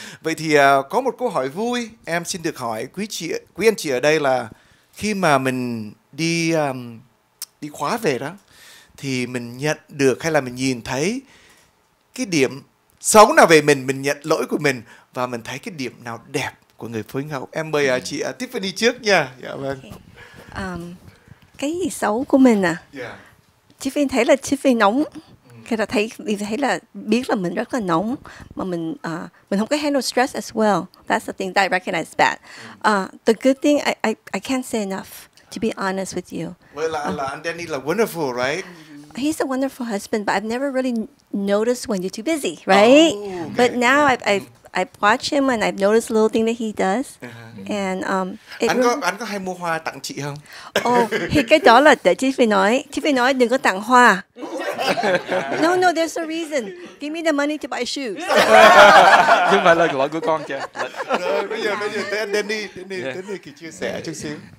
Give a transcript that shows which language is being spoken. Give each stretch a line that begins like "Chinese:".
Vietnamese: Vậy thì có một câu hỏi vui em xin được hỏi quý anh chị ở đây là khi mà mình đi đi khóa về đó thì mình nhận được hay là mình nhìn thấy cái điểm xấu nào về mình nhận lỗi của mình và mình thấy cái điểm nào đẹp của người phối ngẫu. Em mời chị Tiffany trước nha. Dạ vâng. Cái gì xấu của mình à?
English: Yeah.
Vietnamese: Tiffany thấy là Tiffany nóng. Khi ta thấy thì thấy là biết là mình rất là nóng mà mình không có
English: handle stress as well. That's the thing that I recognize that. The good thing I can't say enough to be honest with you. Well,
Vietnamese: là anh Danny là
English: wonderful, right? He's a wonderful husband, but I've never really noticed when you're too busy, right? Oh, okay. But now yeah. I've watched him and I've noticed little thing that he does. Uh-huh. And
Vietnamese: anh có hay mua hoa tặng chị không? Oh, thì cái đó là để Tiffany nói đừng có tặng hoa.
English: No, no, there's a reason. Give me the money to buy shoes.
Vietnamese: Nhưng mà là lỗi của con kìa. Bây giờ tới anh Danny, Danny thì chia sẻ chút xíu.